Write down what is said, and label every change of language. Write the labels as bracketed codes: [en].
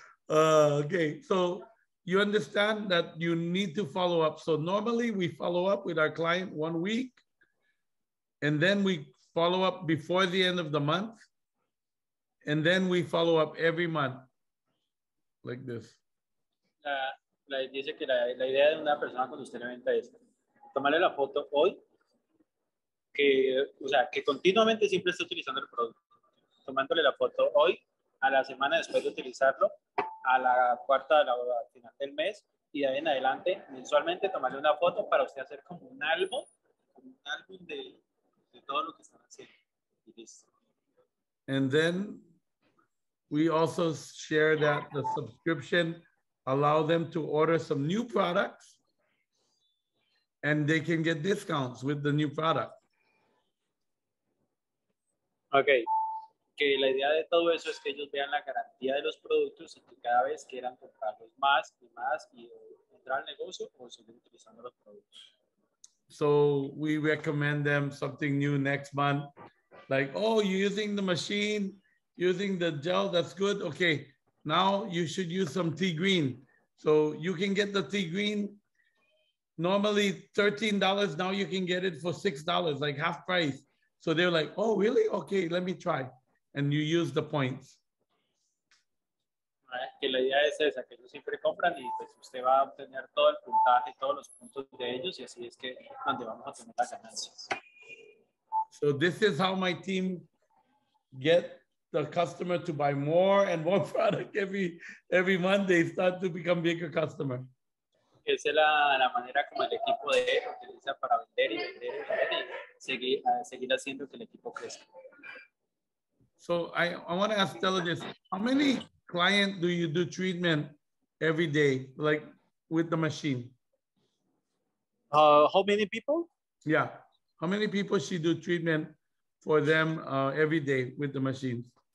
[en] Okay, so you understand that you need to follow up. So normally we follow up with our client 1 week, and then we follow up before the end of the month, and then we follow up every month, like this. [es] Dice que la idea de una persona cuando usted le venta es tomarle la foto hoy, que, o sea, que continuamente siempre esté utilizando el producto. Tomándole la foto hoy, a la semana después de utilizarlo, a la cuarta de la hora, al final del mes, y de ahí en adelante, mensualmente, tomarle una foto para usted hacer como un álbum de todo lo que están haciendo. Y listo. [en] And then we also share that the subscription allow them to order some new products and they can get discounts with the new product. Okay. [es] Que la idea de todo eso es que ellos vean la garantía de los productos y que cada vez quieran comprarlos más y más y entrar al negocio o seguir utilizando los productos. [en] So we recommend them something new next month. Like, oh, you're using the machine, using the gel, that's good. Okay. Now you should use some tea green. So you can get the tea green normally $13. Now you can get it for $6, like half price. So they're like, oh, really? Okay, let me try. And you use the points. [es] Que la idea es esa, que ellos siempre compran y pues usted va a obtener todo el puntaje, todos los puntos de ellos, y así es que donde vamos a tener las ganancias. [en] So this is how my team get the customer to buy more and more product every month. They start to become bigger customer. [es] Esa es la manera como el equipo de él utiliza para vender y seguir haciendo que el equipo crezca. [en] So I want to ask Stella this: how many clients do you do treatment every day, like with the machine? How many people? Yeah, how many people she do treatment for them every day with the machines?